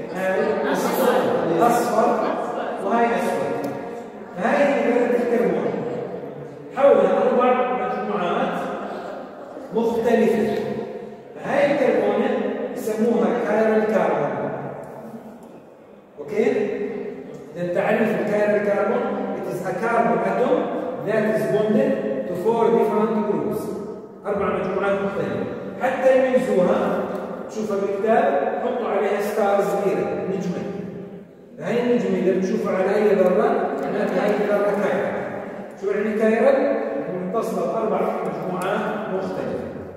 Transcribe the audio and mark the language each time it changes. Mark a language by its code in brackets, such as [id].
[ar] هاي أصفر. أصفر. وهاي أصفر. هاي ذرة الكربون حولها أربع مجموعات مختلفة. هاي الكربون يسموها كايرال الكربون. أوكي؟ إذن تعرف الكايرال الكربون [en] It is a carbon atom that is bonded to four different groups. [ar] أربع مجموعات مختلفة. حتى يميزوها تشوفها بالكتاب حطوا عليها ستار صغيرة نجمة. هاي النجمة إذا بتشوفها على أي ذرة معناتها هاي الذرة كايرال. شو يعني كايرال؟ متصلة بأربع مجموعات مختلفة.